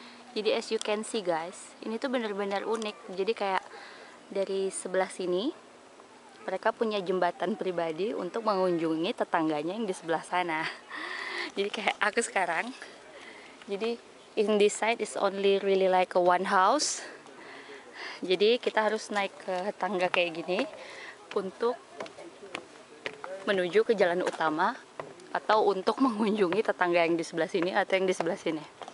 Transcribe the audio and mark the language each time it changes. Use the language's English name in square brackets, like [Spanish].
[Indonesian] Jadi [English] as you can see guys, [Indonesian] ini tuh benar-benar unik. Jadi kayak dari sebelah sini mereka punya jembatan pribadi untuk mengunjungi tetangganya yang di sebelah sana. Jadi kayak aku sekarang. [English] Jadi in this side is only really like a one house. [Indonesian] Jadi kita harus naik ke tangga kayak gini untuk menuju ke jalan utama atau untuk mengunjungi tetangga yang di sebelah sini atau yang di sebelah sini.